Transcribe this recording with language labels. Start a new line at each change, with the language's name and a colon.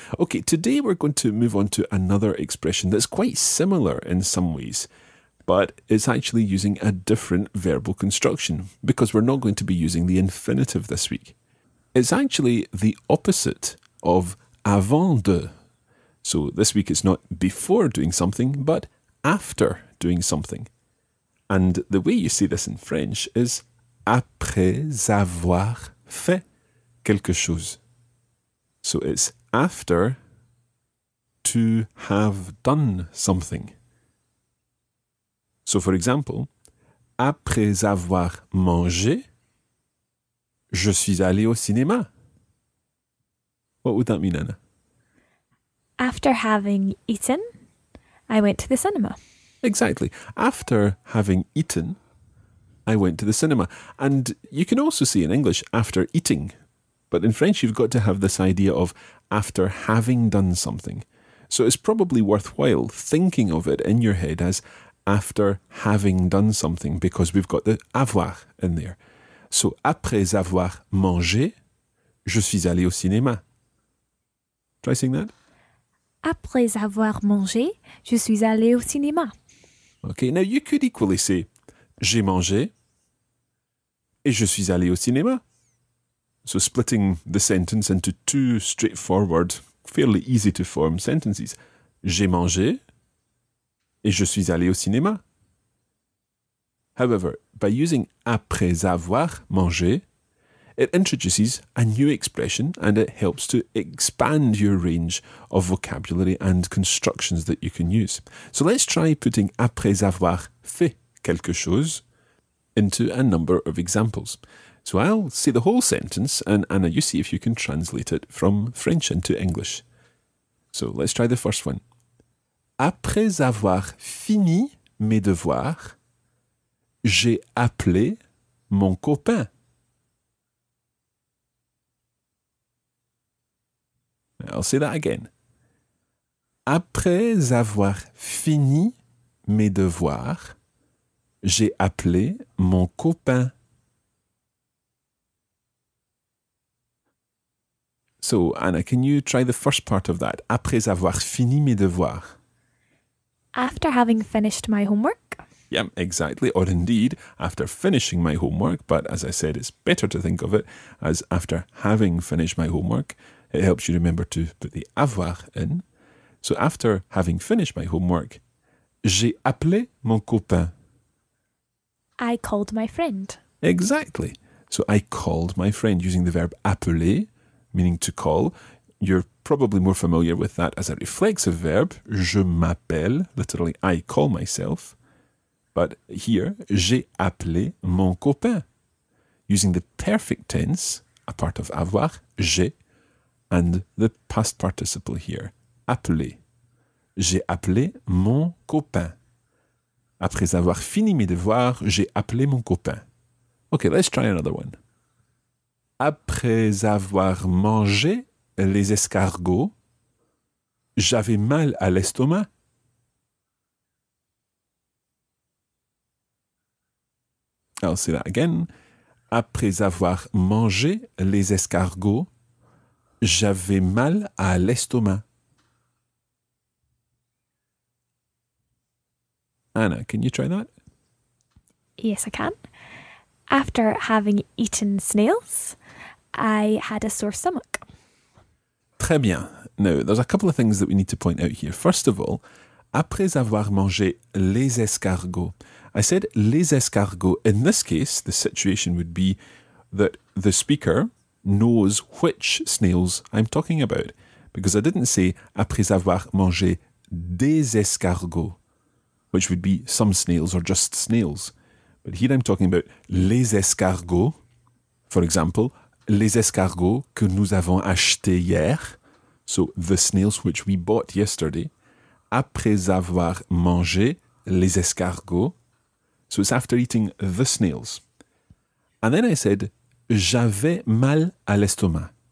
English: Okay, today we're going to move on to another expression that's quite similar in some ways, but it's actually using a different verbal construction because we're not going to be using the infinitive this week. It's actually the opposite of avant de. So this week it's not before doing something, but after doing something. And the way you say this in French is
French: après avoir fait quelque chose.
English: So it's after to have done something. So for example,
French: après avoir mangé, je suis allé au cinéma.
English: What would that mean, Anna? After having eaten, I went to the cinema. Exactly. After having eaten, I went to the cinema. And you can also say in English, after eating. But in French, you've got to have this idea of after having done something. So it's probably worthwhile thinking of it in your head as after having done something, because we've got the avoir in there.
French: So après avoir mangé, je suis allé au cinéma.
English: Try saying that.
French: Après avoir mangé, je suis allé au cinéma.
English: Okay, now you could equally say,
French: j'ai mangé et je suis allé au cinéma.
English: So splitting the sentence into two straightforward, fairly easy to form sentences.
French: J'ai mangé et je suis allé au cinéma.
English: However, by using
French: après avoir mangé,
English: it introduces a new expression and it helps to expand your range of vocabulary and constructions that you can use. So let's try putting
French: après avoir fait quelque chose
English: into a number of examples. So I'll say the whole sentence and Anna, you see if you can translate it from French into English. So let's try the first one.
French: Après avoir fini mes devoirs, j'ai appelé mon copain.
English: I'll say that again.
French: Après avoir fini mes devoirs, j'ai appelé mon copain.
English: So, Anna, can you try the first part of that?
French: Après avoir fini mes devoirs.
English: After having finished my homework. Yeah, exactly. Or indeed, after finishing my homework. But as I said, it's better to think of it as after having finished my homework. It helps you remember to put the avoir in. So after having finished my homework,
French: j'ai appelé mon copain.
English: I called my friend. Exactly. So I called my friend using the verb appeler, meaning to call. You're probably more familiar with that as a reflexive verb.
French: Je m'appelle,
English: literally, I call myself. But here,
French: j'ai appelé mon copain.
English: Using the perfect tense, a part of avoir, j'ai, and the past participle here, appeler.
French: J'ai appelé mon copain. Après avoir fini mes devoirs, j'ai appelé mon copain.
English: Okay, let's try another one.
French: Après avoir mangé les escargots, j'avais mal à l'estomac.
English: I'll say that again.
French: Après avoir mangé les escargots, j'avais mal à l'estomac.
English: Anna, can you try that? Yes, I can. After having eaten snails, I had a sore stomach.
French: Très bien.
English: Now, there's a couple of things that we need to point out here. First of all,
French: après avoir mangé les escargots,
English: I said
French: les escargots.
English: In this case, the situation would be that the speaker knows which snails I'm talking about. Because I didn't say
French: après avoir mangé des escargots,
English: which would be some snails or just snails. But here I'm talking about
French: les escargots.
English: For example,
French: les escargots que nous avons achetés hier.
English: So the snails which we bought yesterday.
French: Après avoir mangé les escargots.
English: So it's after eating the snails. And then I said,
French: j'avais mal à l'estomac.